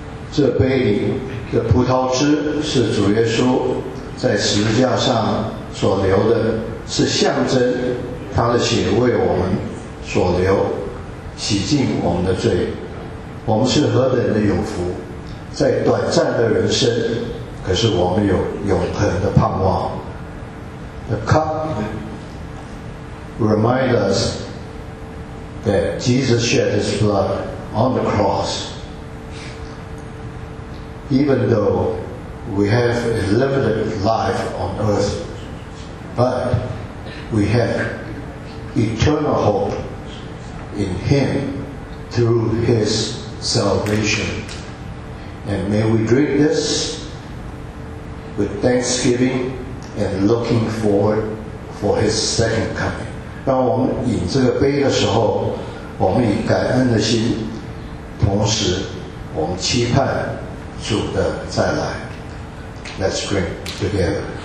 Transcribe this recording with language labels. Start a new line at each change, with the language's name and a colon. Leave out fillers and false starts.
Chinese: 这杯里的葡萄汁是主耶稣在十字架上所流的，是象征他的血为我们所流，洗净我们的罪。我们是何等的有福，在短暂的人生，可是我们有永恒的盼望。
English: The cup reminds us that Jesus shed his blood on the cross. Even though we have a limited life on earth, but we have eternal hope in him through his salvation. And may we drink this with thanksgiving and looking forward for his second coming.
Chinese: 当我们饮这个杯的时候，我们以感恩的心，同时我们期盼主的再来。
English: Let's drink together.